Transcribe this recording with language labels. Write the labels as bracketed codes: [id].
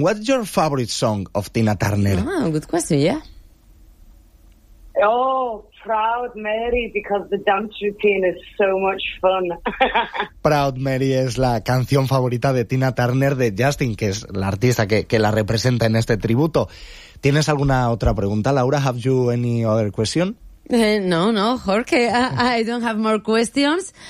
[en] What's your favorite song of Tina Turner? Oh, good question, yeah. Oh, Proud Mary, because the dance routine is so much fun. [es] Proud Mary es la canción favorita de Tina Turner, de Justin, que es la artista que la representa en este tributo. ¿Tienes alguna otra pregunta, Laura? [en] Have you any other question? No, Jorge, I don't have more questions.